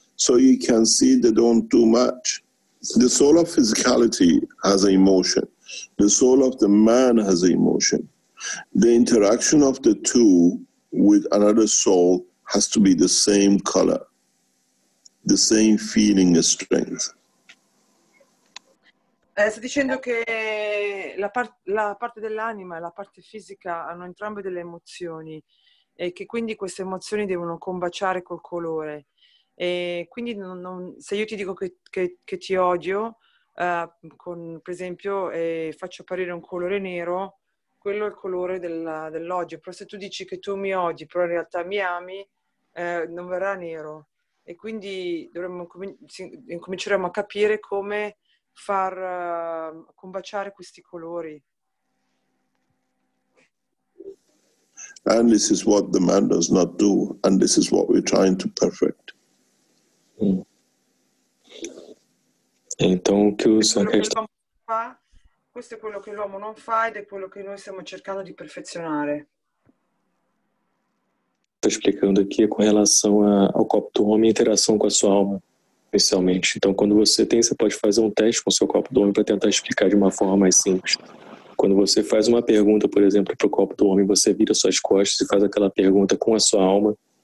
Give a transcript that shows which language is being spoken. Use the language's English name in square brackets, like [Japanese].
[English] So you can see they don't do much. The soul of physicality has an emotion. The soul of the man has an emotion. The interaction of the two with another soul has to be the same color, the same feeling and strength. [Italian] Sta dicendo che la parte dell'anima e la parte fisica hanno entrambe delle emozioni e che quindi queste emozioni devono combaciare col colore. E quindi non, se io ti dico che ti odio, con, per esempio, faccio apparire un colore nero, quello è il colore dell'odio. Però se tu dici che tu mi odi, però in realtà mi ami, non verrà nero. E quindi dovremmo incominceremo a capire come far combaciare questi colori. [English] And this is what the man does not do, and this is what we're trying to perfect. [Portuguese] Então, o que o Sankhya... [Italian] Questo è quello che l'uomo non fa ed è quello che noi stiamo cercando di perfezionare. [Portuguese] Sto explicando aqui com relação ao copo do homem e interação com a sua alma, inicialmente. Então, quando você tem, você pode fazer um teste com o seu copo do homem para tentar explicar de uma forma mais simples. Quando você faz uma pergunta, por exemplo, para o copo do homem, você vira suas costas e faz aquela pergunta com a sua alma.